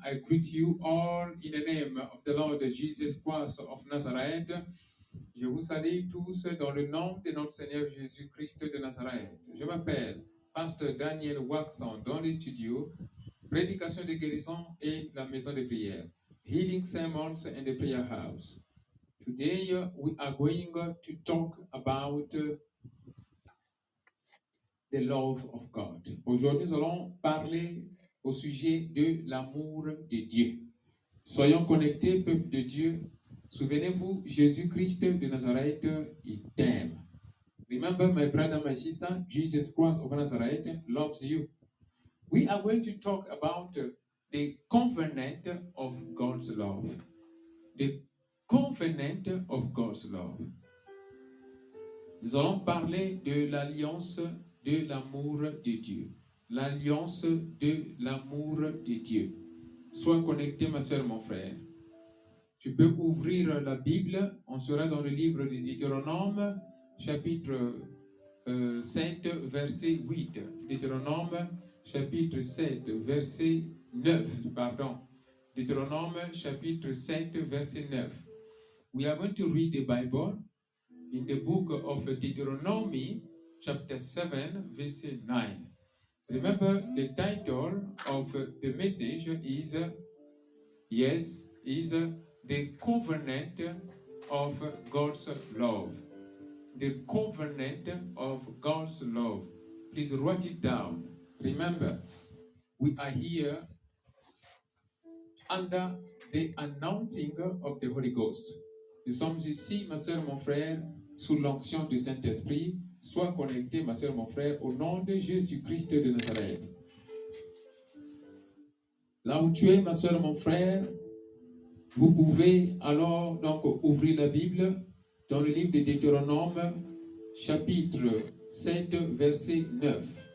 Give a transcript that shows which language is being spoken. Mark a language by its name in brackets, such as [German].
[English] I greet you all in the name of the Lord Jesus Christ of Nazareth. [French] Je vous salue tous dans le nom de notre Seigneur Jésus Christ de Nazareth. Je m'appelle Pasteur Daniel Waxon dans les studios, prédication de guérison et la maison de prière, Healing Sermons and the Prayer House. [English] Today, we are going to talk about the love of God. [French] Aujourd'hui, nous allons parler au sujet de l'amour de Dieu. Soyons connectés, peuple de Dieu. Souvenez-vous, Jésus-Christ de Nazareth, il t'aime. [English] Remember, my brother, my sister, Jesus Christ of Nazareth loves you. We are going to talk about the covenant of God's love. The covenant of God's love. [French] Nous allons parler de l'alliance de l'amour de Dieu. L'alliance de l'amour de Dieu. Sois connecté, ma soeur, mon frère. Tu peux ouvrir la Bible. On sera dans le livre de Deutéronome, chapitre 7, verset 8. Deutéronome, chapitre 7, verset 9. Pardon. Deutéronome, chapitre 7, verset 9. [English] We are going to read the Bible in the book of Deuteronomy, chapter 7, verse 9. Remember, the title of the message is, yes, is the covenant of God's love. The covenant of God's love. Please write it down. Remember, we are here under the anointing of the Holy Ghost. [French] Nous sommes ici, ma soeur, mon frère, sous l'onction du Saint-Esprit. Sois connecté, ma soeur, mon frère, au nom de Jésus-Christ de Nazareth. Là où tu es, ma soeur, mon frère, vous pouvez alors donc ouvrir la Bible dans le livre de Deutéronome, chapitre 7, verset 9.